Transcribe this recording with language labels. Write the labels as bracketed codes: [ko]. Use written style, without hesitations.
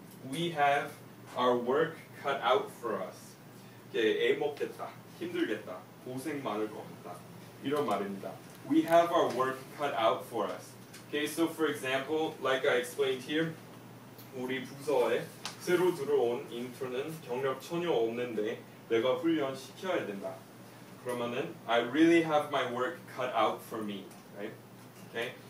[en] We have our work cut out for us. [ko] 애먹겠다, 힘들겠다, 고생 많을 것 같다 이런 말입니다. [en] We have our work cut out for us. Okay, so for example, like I explained here, [ko] 우리 부서에 새로 들어온 인턴은 경력 전혀 없는데 내가 훈련 시켜야 된다. 그러면은 [en] I really have my work cut out for me, right? Okay.